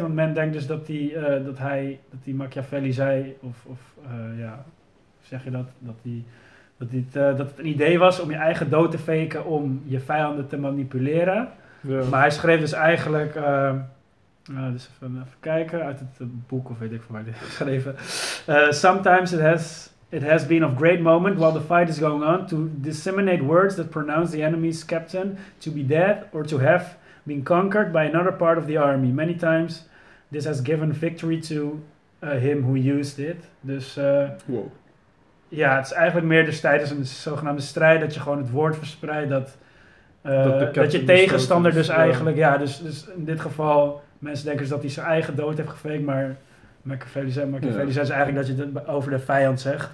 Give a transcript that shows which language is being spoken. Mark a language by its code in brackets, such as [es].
[nl] Want men denkt dus dat hij Machiavelli zei. Hoe zeg je dat? Dat het een idee was om je eigen dood te faken om je vijanden te manipuleren. Ja. Maar hij schreef dus eigenlijk... dus even kijken uit het boek of weet ik van waar dit is geschreven. [en] Sometimes it has been of great moment while the fight is going on to disseminate words that pronounce the enemy's captain to be dead or to have been conquered by another part of the army. Many times this has given victory to him who used it. [nl] Dus het is eigenlijk meer dus tijdens een zogenaamde strijd dat je gewoon het woord verspreidt dat je tegenstander dus eigenlijk, dus in dit geval... Mensen denken dus dat hij zijn eigen dood heeft gefaked, maar Machiavelli zei eigenlijk dat je het over de vijand zegt.